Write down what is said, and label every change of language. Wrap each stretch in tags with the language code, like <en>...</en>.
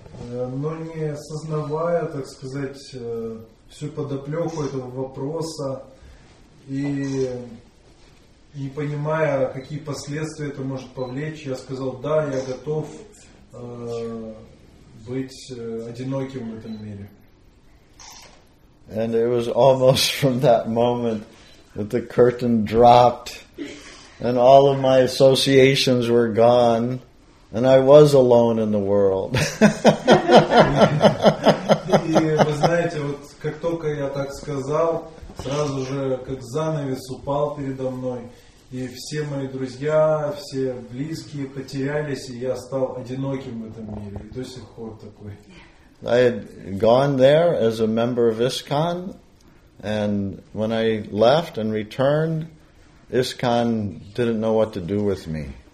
<ru>Но не осознавая, так сказать, всю подоплеку этого вопроса и не понимая, какие последствия это может повлечь, я сказал, да, я готов быть одиноким в этом мире.</ru> <en>And it was almost from that moment that the curtain dropped and all of my associations were gone and I was alone in the world.</en> <ru>И вы знаете, вот как только я так сказал, сразу же как занавес упал передо мной, и все мои друзья, все близкие потерялись, и я стал одиноким в этом мире. И до сих пор такой.</ru> <en>I had gone there as a member of ISKCON, and when I left and returned, ISKCON didn't know what to do with me.</en>